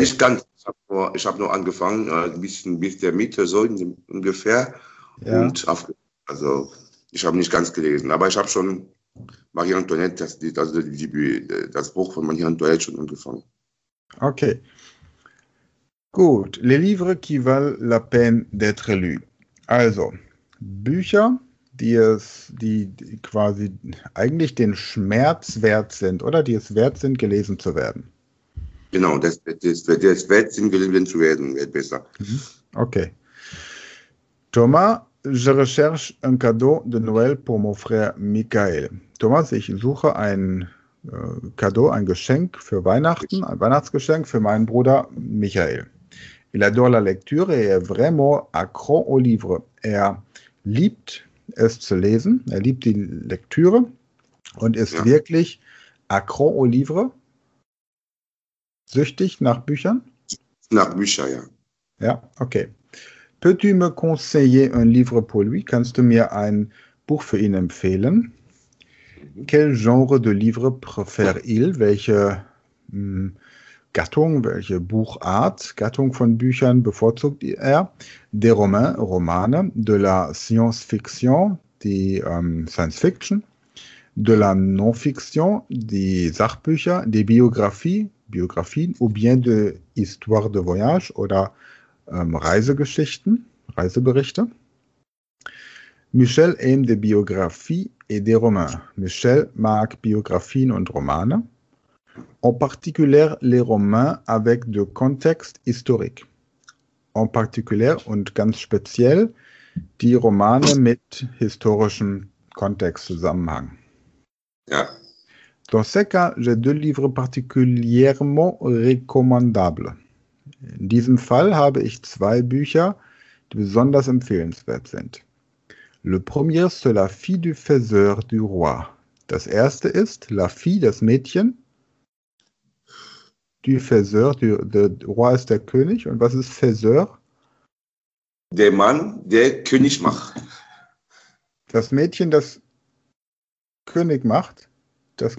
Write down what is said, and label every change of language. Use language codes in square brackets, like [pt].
[de] nicht ganz. Ich habe nur angefangen, ein bisschen bis der Mitte, so ungefähr. Ja. Also, ich habe nicht ganz gelesen, aber ich habe schon Marie-Antoinette, das Buch von Marie-Antoinette schon angefangen. Okay. Gut. [fr] Les livres qui valent la peine d'être lus. [de] Also. Bücher, die quasi eigentlich den Schmerz wert sind oder die es wert sind, gelesen zu werden. Genau, das wird Sinn gelingen zu werden, wird besser. Okay. [fr] Thomas, je recherche un cadeau de Noël pour mon frère Michael. [de] Thomas, ich suche ein Cadeau, ein Geschenk für Weihnachten, ein Weihnachtsgeschenk für meinen Bruder Michael. [fr] Il adore la lecture et est vraiment accro au livre. [de] Er liebt es zu lesen, er liebt die Lektüre und ist Ja. wirklich [fr] accro au livre, [de] süchtig nach Büchern. Nach Bücher, ja. Ja, okay. [fr] Peux-tu me conseiller un livre pour lui? [de] Kannst du mir ein Buch für ihn empfehlen? [fr] Quel genre de livre préfère-il? [de] Welche Gattung, welche Buchart, Gattung von Büchern bevorzugt er? [fr] Des romans, [de] Romane, [fr] de la Science-Fiction, [de] die Science-Fiction, [fr] de la Non-Fiction, [de] die Sachbücher, [fr] des Biografien, ou bien de Histoire de Voyage [de] oder Reisegeschichten, Reiseberichte. [fr] Michel aime des Biographies et des Romans. [de] Michel mag Biografien und Romane. [fr] En particulier les romans avec du contexte historique. En particulier [de] und ganz speziell die Romane mit historischem Kontextzusammenhang. Ja. [fr] Dans ce cas, j'ai deux livres particulièrement recommandables. [de] In diesem Fall habe ich zwei Bücher, die besonders empfehlenswert sind. [fr] Le premier, c'est La fille du faiseur du roi. [de] Das erste ist [fr] La fille, [de] das Mädchen. [fr] Du Faiseur, [de] der Roi ist der König. Und was ist Faiseur? Der Mann, der König macht. Das Mädchen, das König macht. Das